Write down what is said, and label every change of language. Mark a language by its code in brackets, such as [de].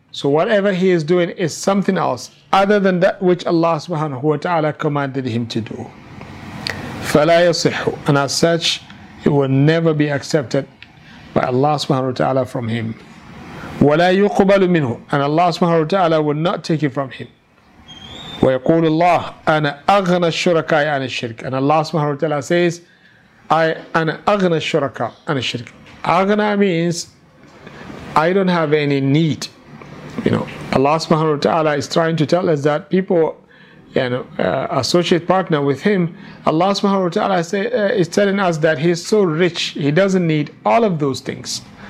[en] So whatever he is doing is something else other than that which Allah subhanahu wa ta'ala commanded him to do. [ar] فَلَا يَصِحُ. [en] And as such, it will never be accepted by Allah subhanahu wa ta'ala from him. [ar] وَلَا يُقُبَلُ مِنْهُ. [en] And Allah subhanahu wa ta'ala will not take it from him. [ar] وَيَقُولُ اللَّهُ أَنَا أَغْنَى الشُّرَكَاءِ عَنِ الشِّرْكِ. [en] And Allah subhanahu wa ta'ala says, [ar] I an aghna shuraka and a shirk. [en] Aghna means I don't have any need. You know, Allah subhanahu wa ta'ala is trying to tell us that people, you know, associate partner with him. Allah subhanahu wa ta'ala is telling us that he's so rich, he doesn't need all of those things.